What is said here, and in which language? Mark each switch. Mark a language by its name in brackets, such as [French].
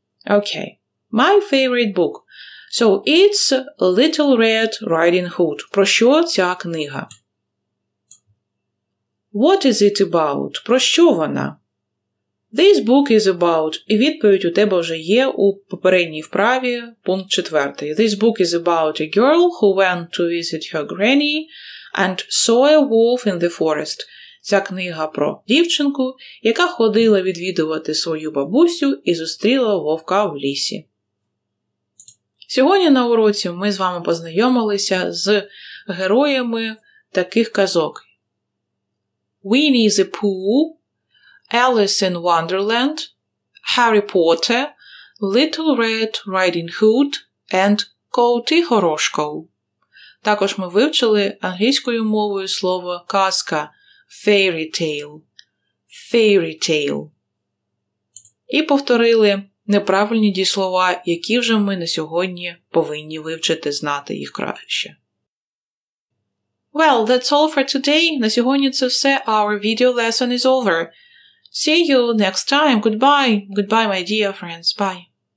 [English] Okay, my favorite book. So, it's Little Red Riding Hood. [Ukrainian] Про що ця книга? [English] What is it about? [Ukrainian] Про що вона? [English] This book is about... [Ukrainian] І відповідь у тебе вже є у попередній вправі, пункт четвертий. [English] This book is about a girl who went to visit her granny and saw a wolf in the forest. [Ukrainian] Ця книга про дівчинку, яка ходила відвідувати свою бабусю і зустріла вовка в лісі. Сьогодні на уроці ми з вами познайомилися з героями таких казок. [English] Winnie the Pooh, Alice in Wonderland, Harry Potter, Little Red Riding Hood and Коті Горошко. [Ukrainian] Також ми вивчили англійською мовою слово казка fairy tale. [English] Fairy tale. [Ukrainian] І повторили неправильні дієслова, які вже ми на сьогодні повинні вивчити, знати їх краще. [English] Well, that's all for today. [Ukrainian] На сьогодні це все. [English] Our video lesson is over. See you next time. Goodbye. Goodbye, my dear friends. Bye.